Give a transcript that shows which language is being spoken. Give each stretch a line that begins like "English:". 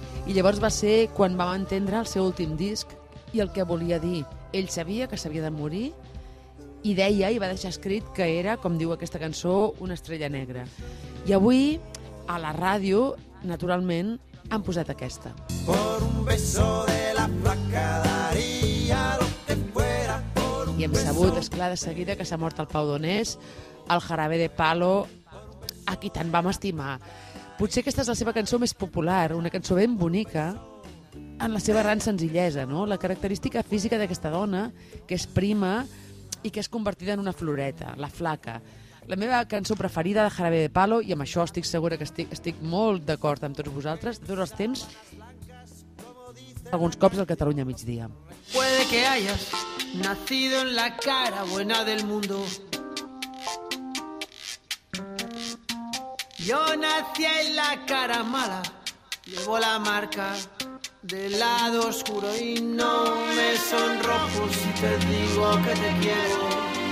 Catalan: I llavors va ser quan vam entendre el seu últim disc i el que volia dir. Ell sabia que s'havia de morir i deia, i va deixar escrit, que era, com diu aquesta cançó, una estrella negra. I avui, a la ràdio, naturalment, han posat aquesta.
Spanish: Por un beso de la placa daría lo que fuera.
Catalan: I hem sabut, esclar, de seguida que s'ha mort el Pau Donés, el Jarabe de Palo, a qui tant vam estimar. Potser aquesta és la seva cançó més popular, una cançó ben bonica, en la seva gran senzillesa, no? La característica física d'aquesta dona, que és prima i que és convertida en una floreta, la flaca. La meva cançó preferida de Jarabe de Palo, i amb això estic segura que estic molt d'acord amb tots vosaltres, de tots els temps, alguns cops al Catalunya Migdia.
Spanish: Puede que hayas nacido en la cara buena del mundo. Yo nací en la cara mala, llevo la marca del lado oscuro y no me sonrojo si te digo que te quiero.